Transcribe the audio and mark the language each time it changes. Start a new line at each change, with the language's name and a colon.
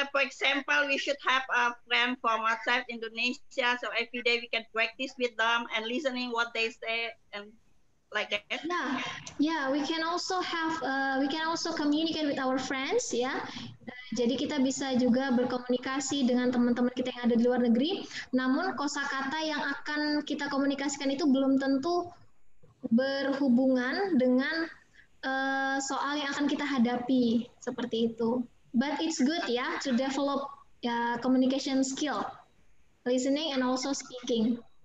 English: For example, we should have a friend from outside Indonesia. So every day we can practice with them and listening what they say and like that. Nah, yeah, we can also have we can also communicate with our friends, ya. Yeah.
Indonesian: Jadi kita bisa juga berkomunikasi dengan teman-teman kita yang ada di luar negeri. Namun kosakata yang akan kita komunikasikan itu belum tentu berhubungan dengan soal yang akan kita hadapi, seperti itu.
English: But it's good, ya, yeah, to develop communication skill, listening and also speaking.